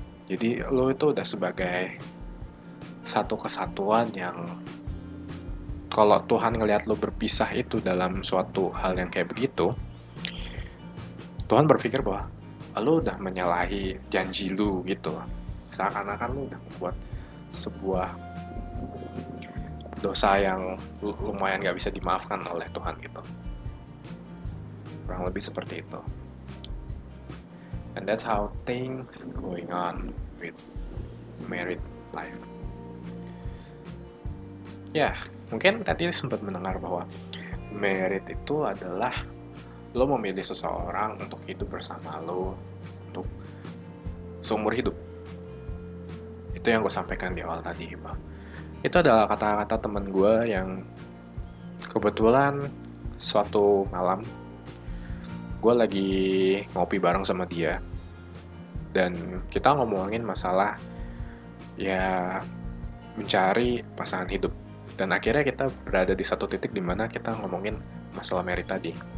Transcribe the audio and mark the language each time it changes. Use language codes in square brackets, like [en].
[id] Jadi lo itu udah sebagai satu kesatuan yang kalau Tuhan ngelihat lo berpisah itu dalam suatu hal yang kayak begitu, Tuhan berpikir bahwa lo udah menyalahi janji lo gitu. Seakan-akan lo udah membuat sebuah dosa yang lumayan gak bisa dimaafkan oleh Tuhan gitu. Kurang lebih seperti itu. [en] And that's how things going on with married life. [id] Yeah, mungkin tadi sempat mendengar bahwa married itu adalah lo memilih seseorang untuk hidup bersama lo untuk seumur hidup. Itu yang gue sampaikan di awal tadi, Bang. Itu adalah kata-kata teman gue yang kebetulan suatu malam gue lagi ngopi bareng sama dia dan kita ngomongin masalah ya mencari pasangan hidup dan akhirnya kita berada di satu titik di mana kita ngomongin masalah merit tadi.